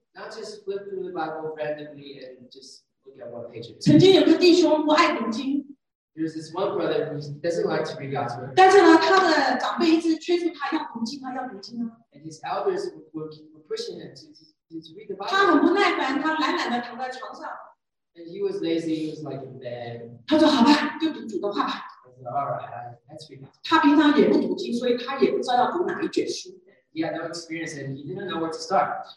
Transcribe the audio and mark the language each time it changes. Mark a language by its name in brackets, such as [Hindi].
[English] Not just flip through the Bible randomly and just look at one page. [Chinese] 曾经有个弟兄不爱读经。 [English] There's this one brother who doesn't like to read God's word. [Chinese] 但是呢，他的长辈一直催促他要读经，他要读经啊。 [English] And his elders were pushing him to read the Bible. [Chinese] 他很不耐烦，他懒懒的躺在床上。 [English] And he was lazy. He was like in bed. [Chinese] 他说好吧，就读主的话吧。 [English] He said, "All right, let's read God." [Chinese] 他平常也不读经，所以他也不知道要读哪一卷书。 [English] He had no experience, and he didn't know where to start.